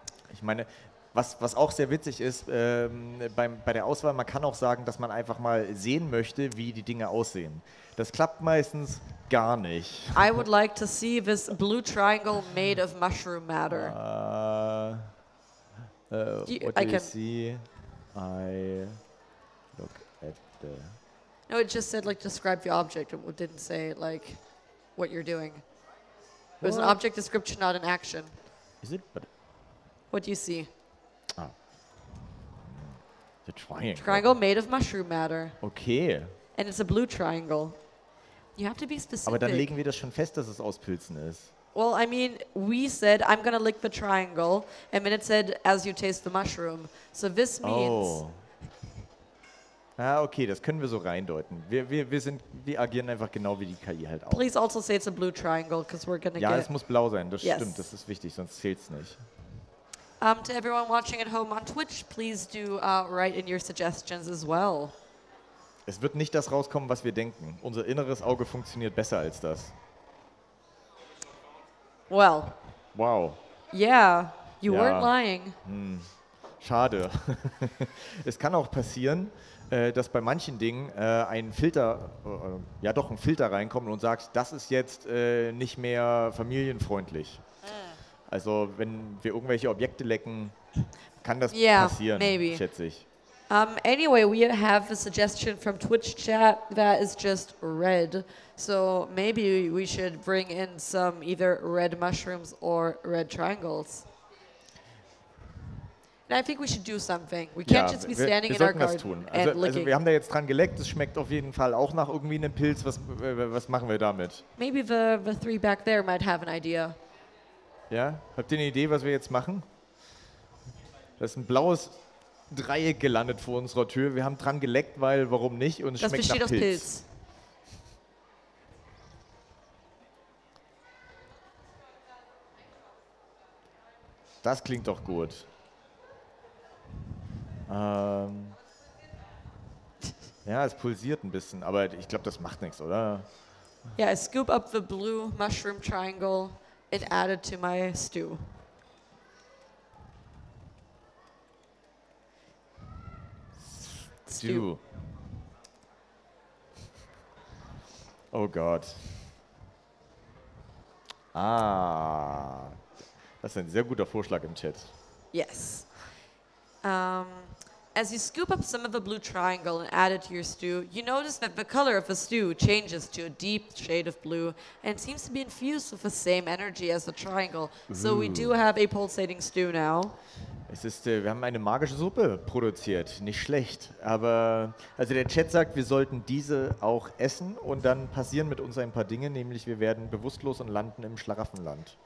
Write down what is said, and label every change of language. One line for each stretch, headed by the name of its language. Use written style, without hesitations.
German: Ich meine, was auch sehr witzig ist, bei der Auswahl, man kann auch sagen, dass man einfach mal sehen möchte, wie die Dinge aussehen. Das klappt meistens gar nicht.
English: I would like to see this blue triangle made of mushroom matter. What do you see? I look at the... No, it just said, like, describe the object. It didn't say, like, what you're doing. It was an object description, not an action. Is it? But what do you see? Ah. The triangle. Triangle made of mushroom matter. Okay. And it's a blue triangle. You have to be specific.
German: Aber dann legen wir das schon fest, dass es aus Pilzen ist.
English: Well, I mean, we said, I'm gonna lick the triangle, and then it said, as you taste the mushroom. So this means...
German: Oh. Ah, okay, das können wir so reindeuten. Wir agieren einfach genau wie die KI halt auch.
English: Please also say it's a blue triangle, because we're gonna
German: Es muss blau sein, das stimmt, das ist wichtig, sonst zählt's nicht.
English: To everyone watching at home on Twitch, please do write in your suggestions as well.
German: Es wird nicht das rauskommen, was wir denken. Unser inneres Auge funktioniert besser als das.
English: Well. Wow. Yeah, you weren't lying.
German: Schade. Es kann auch passieren, dass bei manchen Dingen ein Filter reinkommt und sagt, das ist jetzt nicht mehr familienfreundlich. Also wenn wir irgendwelche Objekte lecken, kann das passieren,
English: maybe.
German: Schätze ich.
English: Anyway, we have a suggestion from Twitch chat that is just red. So maybe we should bring in some either red mushrooms or red triangles. And I think we should do something. We can't just be standing in our garden and licking.
German: Also, wir haben da jetzt dran geleckt. Es schmeckt auf jeden Fall auch nach irgendwie einem Pilz. Was machen wir damit? Maybe the three back there might have an idea. Ja, habt ihr eine Idee, was wir jetzt machen? Das ist ein blaues Dreieck gelandet vor unserer Tür. Wir haben dran geleckt, weil, warum nicht? Und es schmeckt nach Pilz. Das besteht aus Pilz. Das klingt doch gut. Es pulsiert ein bisschen, aber ich glaube, das macht nichts, oder?
English: Ja, I scoop up the blue mushroom triangle and add it to my stew. Stew.
German: Oh Gott. Das ist ein sehr guter Vorschlag im Chat.
English: Yes. As you scoop up some of the blue triangle and add it to your stew, you notice that the color of the stew changes to a deep shade of blue and seems to be infused with the same energy as the triangle. Ooh. So we do have a pulsating stew now.
German: Wir haben eine magische Suppe produziert, nicht schlecht. Aber also der Chat sagt, wir sollten diese auch essen und dann passieren mit uns ein paar Dinge, nämlich wir werden bewusstlos und landen im Schlaraffenland.